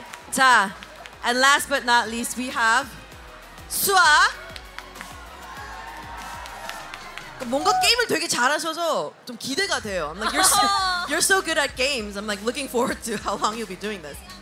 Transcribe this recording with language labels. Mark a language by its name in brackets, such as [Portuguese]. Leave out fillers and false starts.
[English] 자, and last but not least, we have Sua. [Korean] 뭔가 게임을 되게 잘하셔서 좀 기대가 돼요. [English] I'm like, you're so good at games. I'm like looking forward to how long you'll be doing this.